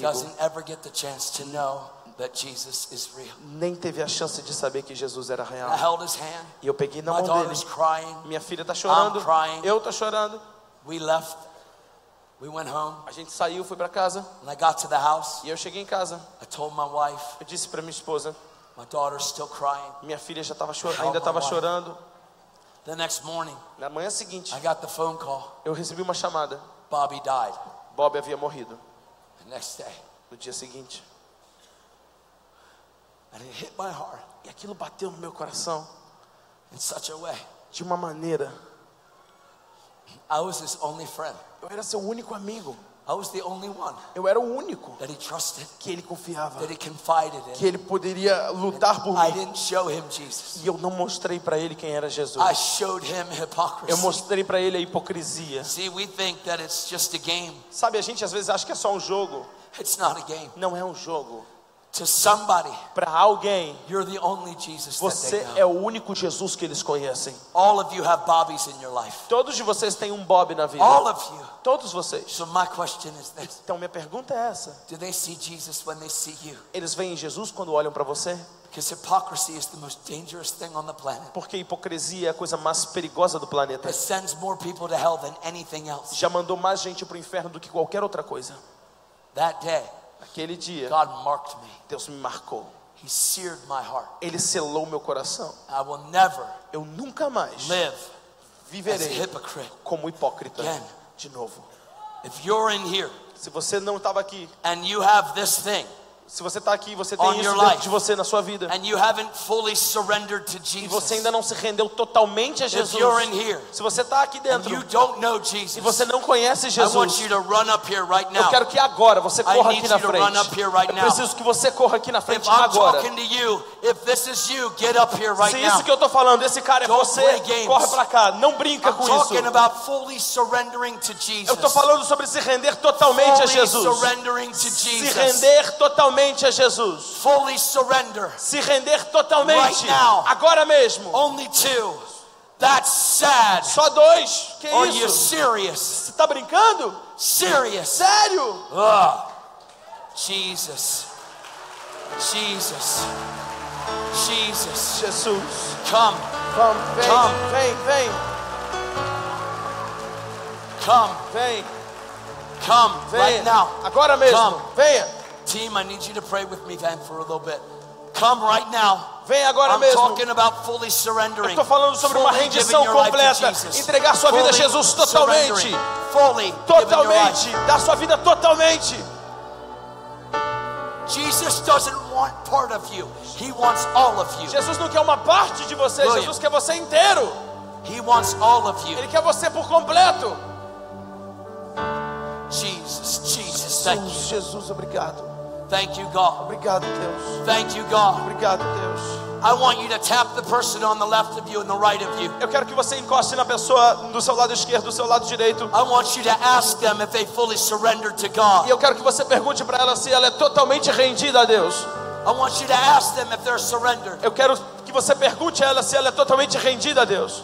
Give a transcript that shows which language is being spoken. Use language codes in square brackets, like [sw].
[en] doesn't ever get the chance to know that Jesus is real. [pt] Nem teve a chance de saber que Jesus era real. [en] I held his hand. [pt] E eu peguei na [en] my [pt] mão [en] daughter [pt] dele. [en] Is crying. [pt] Minha filha está chorando. [en] I'm crying. [pt] Eu estou chorando. [en] We left. We went home. [pt] A gente saiu, foi para casa. [en] And I got to the house. [pt] E eu cheguei em casa. [en] I told my wife. [pt] Eu disse para minha esposa. [en] My daughter is still crying. [pt] Minha filha já tava ainda estava chorando. [en] The next morning, [pt] na manhã seguinte, [en] I got the phone call. [pt] Eu recebi uma chamada. [en] Bobby died. [pt] Bob havia morrido. [en] The next day, [pt] no dia seguinte, [en] and it hit my heart. [pt] E aquilo bateu no meu coração. [en] In such a way, [pt] de uma maneira. [en] I was his only friend. [pt] Eu era seu único amigo. [en] I was the only one [pt] eu era o único [en] that he trusted, [pt] que ele confiava, [en] that he confided in, [pt] que ele poderia lutar por mim. [en] I didn't show him Jesus. [pt] E eu não mostrei para ele quem era Jesus. [en] I showed him hypocrisy. [pt] Eu mostrei para ele a hipocrisia. [en] See, we think that it's just a game. [pt] Sabe, a gente às vezes acha que é só um jogo. [en] It's not a game. [pt] Não é um jogo. [en] To somebody, [pt] para alguém, [en] you're the only Jesus [pt] você [en] that they know. [pt] É o único Jesus que eles conhecem. [en] All of you have Bobbies in your life. [pt] Todos de vocês têm Bob na vida. [en] All of you. [pt] Todos vocês. [en] So my question is this. [pt] Então minha pergunta é essa. [en] Do they see Jesus when they see you? [pt] Eles veem Jesus quando olham para você? [en] Because hypocrisy is the most dangerous thing on the planet. [pt] Porque hipocrisia é a coisa mais perigosa do planeta. [en] It sends more people to hell than anything else. [pt] Já mandou mais gente para o inferno do que qualquer outra coisa. [en] That day, [pt] aquele dia, [en] God marked me. [pt] Deus me marcou. [en] He seared my heart. [pt] Ele selou meu coração. [en] I will never [pt] eu nunca mais [en] live [pt] viverei [en] as a hypocrite [pt] como hipócrita. [en] Again. [pt] De novo. [en] If you're in here, [pt] se você não estava aqui, [en] and you have this thing, [pt] se você está aqui, você tem isso [en] life, [pt] de você na sua vida, [en] and you haven't fully surrendered to Jesus, [pt] e você ainda não se rendeu totalmente a Jesus, [en] if you're in here, [pt] se você está aqui dentro, [en] and you don't know Jesus, [pt] e você não conhece Jesus, [en] I want you to run up here right now. [pt] Eu quero que agora você corra aqui na frente. [en] Run up here right now. [pt] Eu preciso que você corra aqui na frente [en] if I'm [pt] agora. [en] Talking to you, if this is you, get up here right [pt] se isso que eu estou falando, esse cara [en] don't [pt] é você, corre para cá, não brinca [en] I'm [pt] com isso. [en] About fully surrendering to Jesus. [pt] Eu estou falando sobre se render totalmente [en] fully [pt] a Jesus. [en] Surrendering to Jesus. [pt] Se render totalmente a Jesus. [en] Fully surrender. [pt] Se render totalmente. [en] Right now. [pt] Agora mesmo. [en] Only two. That's sad. [pt] Só dois. Que [en] are [pt] isso? [en] You serious? [pt] Você tá brincando? [en] Serious. [pt] Sério? [en] Jesus. Jesus. Jesus. [pt] Jesus. [en] Come. Come. [pt] Vem. [en] Come. [pt] Vem. Vem. [en] Come. [pt] Vem. [en] Come. [pt] Vem. [en] Right now. [pt] Agora mesmo. [en] Come. [pt] Venha. [en] Team, I need you to pray with me then for a little bit. Come right now. [pt] Vem agora [en] I'm [pt] mesmo. [en] I'm talking about fully surrendering. [pt] Estou falando sobre [en] fully [pt] uma rendição completa. Entregar sua [en] fully [pt] vida a Jesus totalmente. [en] Fully. [pt] Totalmente. Dar sua vida totalmente. [en] Jesus doesn't want part of you. He wants all of you. [pt] Jesus não quer uma parte de você. [en] William. [pt] Jesus quer você inteiro. [en] He wants all of you. [pt] Ele quer você por completo. [en] Jesus, Jesus, [pt] Jesus, [en] thank you. [pt] Jesus, obrigado. [en] Thank you, God. [pt] Obrigado, Deus. [en] Thank you, God. [pt] Obrigado, Deus. [en] I want you to tap the person on the left of you and the right of you. [pt] Eu quero que você encoste na pessoa do seu lado esquerdo, do seu lado direito. [en] I want you to ask them if they fully surrender to God. [pt] E eu quero que você pergunte para ela se ela é totalmente rendida a Deus. [en] I want you to ask them if they're surrendered. [pt] Eu quero que você pergunte a ela se ela é totalmente rendida a Deus.